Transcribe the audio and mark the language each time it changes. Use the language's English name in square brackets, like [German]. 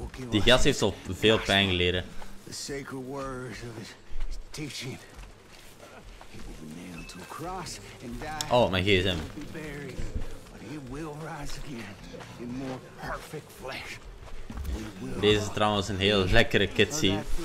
[Dutch] Die gast heeft al veel pijn geleden. [English] The sacred words of his teaching. He will be nailed to a cross and die. Oh, my GSM. But he will rise again in more perfect flesh. [Dutch] Deze trouwens een heel lekkere cutscene.